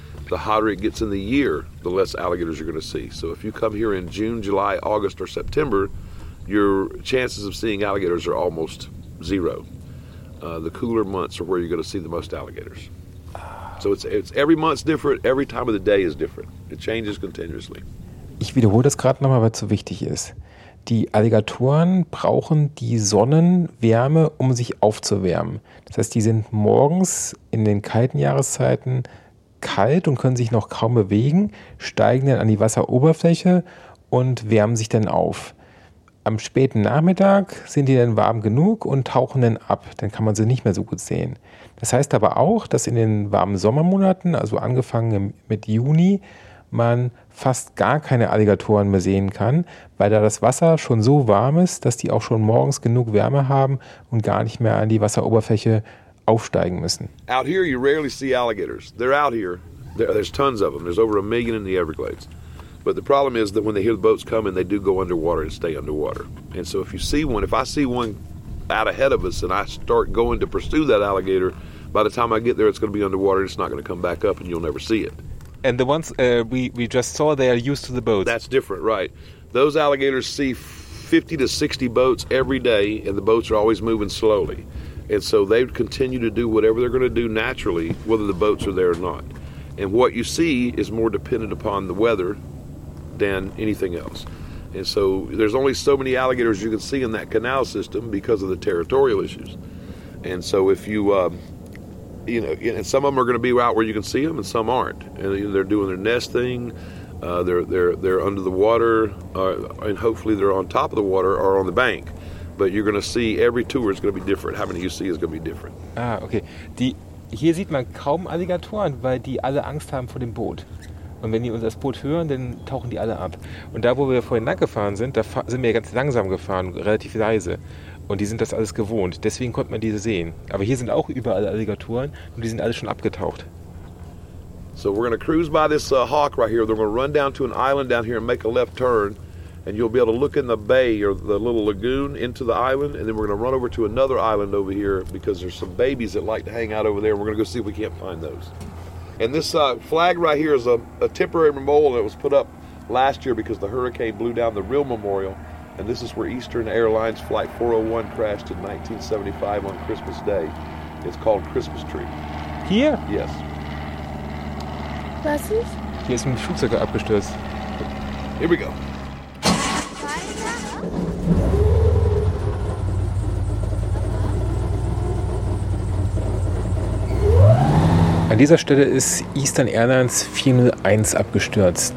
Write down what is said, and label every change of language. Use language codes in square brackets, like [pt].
[en] The hotter it gets in the year, the less alligators you're going to see. So if you come here in June, July, August, or September, your chances of seeing alligators are almost zero. The cooler months are where you're going to see the most alligators. So it's every month's different, every time of the day is different. It changes continuously. [de] Ich wiederhole das gerade nochmal, weil es so wichtig ist. Die Alligatoren brauchen die Sonnenwärme, um sich aufzuwärmen. Das heißt, die sind morgens in den kalten Jahreszeiten kalt und können sich noch kaum bewegen, steigen dann an die Wasseroberfläche und wärmen sich dann auf. Am späten Nachmittag sind die dann warm genug und tauchen dann ab. Dann kann man sie nicht mehr so gut sehen. Das heißt aber auch, dass in den warmen Sommermonaten, also angefangen mit Juni, man fast gar keine Alligatoren mehr sehen kann, weil da das Wasser schon so warm ist, dass die auch schon morgens genug Wärme haben und gar nicht mehr an die Wasseroberfläche aufsteigen müssen. [en] Out here you rarely see alligators. They're out here. There's tons of them. There's over a million in the Everglades. But the problem is that when they hear the boats coming, they do go underwater and stay underwater. And so if you see one, if I see one out ahead of us and I start going to pursue that alligator, by the time I get there, it's going to be underwater and it's not going to come back up and you'll never see it. And the ones we just saw, they are used to the boats. That's different, right. Those alligators see 50 to 60 boats every day and the boats are always moving slowly. And so they continue to do whatever they're going to do naturally, whether the boats are there or not. And what you see is more dependent upon the weather than anything else. And so there's only so many alligators you can see in that canal system because of the territorial issues. And so if you, you know, and some of them are going to be out where you can see them and some aren't. And they're doing their nesting, they're under the water, and hopefully they're on top of the water or on the bank. But you're going to see, every tour is going to be different. How many you see is going to be different. Ah, okay. [de] Die, hier sieht man kaum Alligatoren, weil die alle Angst haben vor dem Boot. Und wenn die uns das Boot hören, dann tauchen die alle ab. Und da, wo wir vorhin lang gefahren sind, da sind wir ganz langsam gefahren, relativ leise. Und die sind das alles gewohnt. Deswegen konnte man diese sehen. Aber hier sind auch überall Alligatoren und die sind alle schon abgetaucht. [en] So we're going to cruise by this hawk right here. They're going to run down to an island down here and make a left turn. And you'll be able to look in the bay or the little lagoon into the island. And then we're going to run over to another island over here because there's some babies that like to hang out over there. And we're going to go see if we can't find those. And this flag right here is a temporary memorial that was put up last year because the hurricane blew down the real memorial. And this is where Eastern Airlines Flight 401 crashed in 1975 on Christmas Day. It's called Christmas Tree. Here? Yes. [de] Was ist? Hier ist ein Flugzeug abgestürzt. [en] Here we go. [de] An dieser Stelle ist Eastern Airlines 401 abgestürzt.